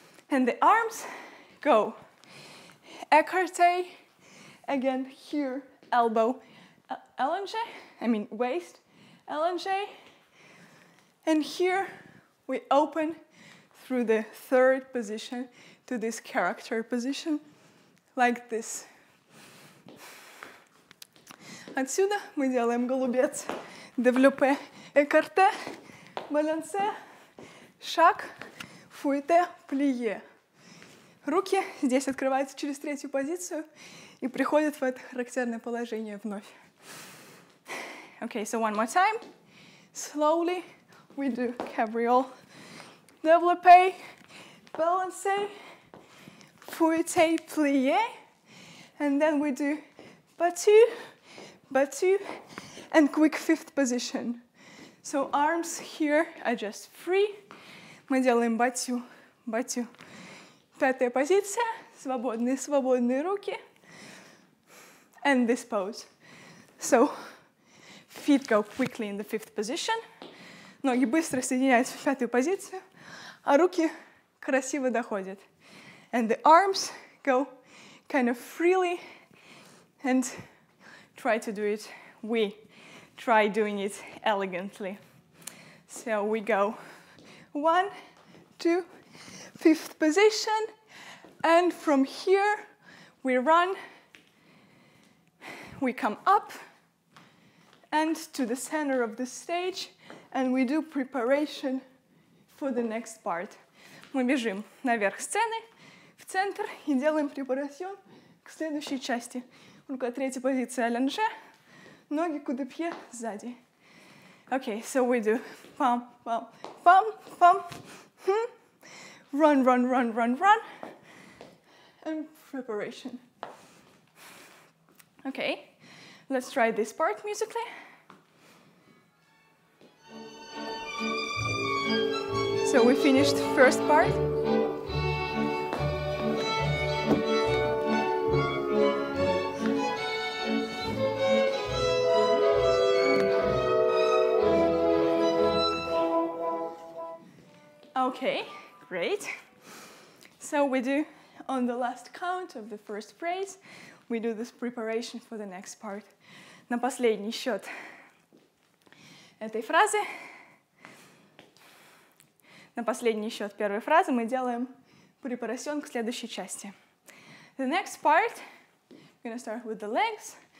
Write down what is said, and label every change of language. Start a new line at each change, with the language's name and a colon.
English: And the arms go écarté, again here, elbow, allongé, waist, allongé, and here we open through the third position to this character position, like this.
Russian: Отсюда мы делаем голубец, девлюпе, экарте, балансе, шаг, фуете, плие. Руки здесь открываются через третью позицию и приходят в это характерное положение вновь.
English: Okay, so one more time. Slowly we do cabriole, девлюпе, балансе, фуете, плие. And then we do battu. Battu, and quick fifth position. So arms here are just free.
Russian: Мы делаем battu, battu. Пятая позиция, свободные, свободные руки.
English: And this pose. So feet go quickly in the fifth position.
Russian: Ноги быстро соединяются в пятую позицию, а руки красиво доходят.
English: And the arms go kind of freely and try to do it, we try doing it elegantly. So we go one, two, fifth position, and from here we run, we come up and to the center of the stage, and we do preparation for the next part.
Russian: Мы бежим наверх сцены, в центр, и делаем preparation к следующей части. Рука третья позиция, аленже, ноги кудепье сзади.
English: Okay, so we do pam, pam, pam, pam, run, run, run, run, run, and preparation. Okay, let's try this part musically. So we finished first part. Okay, great. So we do, on the last count of the first phrase, we do this preparation for the next part.
Russian: На последний счет этой фразы, на последний счет первой фразы мы делаем препарацион к следующей части.
English: The next part, I'm gonna start with the legs.